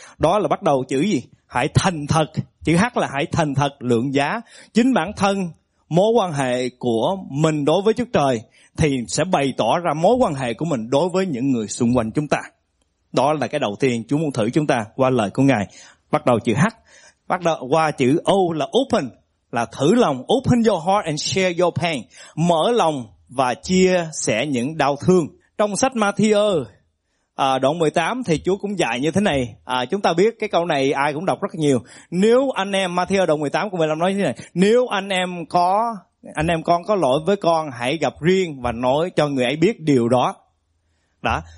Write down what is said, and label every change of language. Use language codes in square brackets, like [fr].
[vi] Đó là bắt đầu chữ gì? Hãy thành thật. Chữ H là hãy thành thật lượng giá chính bản thân, mối quan hệ của mình đối với Chúa Trời thì sẽ bày tỏ ra mối quan hệ của mình đối với những người xung quanh chúng ta. Đó là cái đầu tiên Chúa muốn thử chúng ta qua lời của Ngài. Bắt đầu chữ H, bắt đầu qua chữ O là open, là thử lòng. [en] Open your heart and share your pain. [vi] Mở lòng và chia sẻ những đau thương. Trong sách Matthew đoạn 18 thì Chúa cũng dạy như thế này. Chúng ta biết cái câu này ai cũng đọc rất nhiều. Nếu anh em, Matthew đoạn 18 của 15 nói như thế này. Nếu anh em con có lỗi với con, hãy gặp riêng và nói cho người ấy biết điều đó. Đó.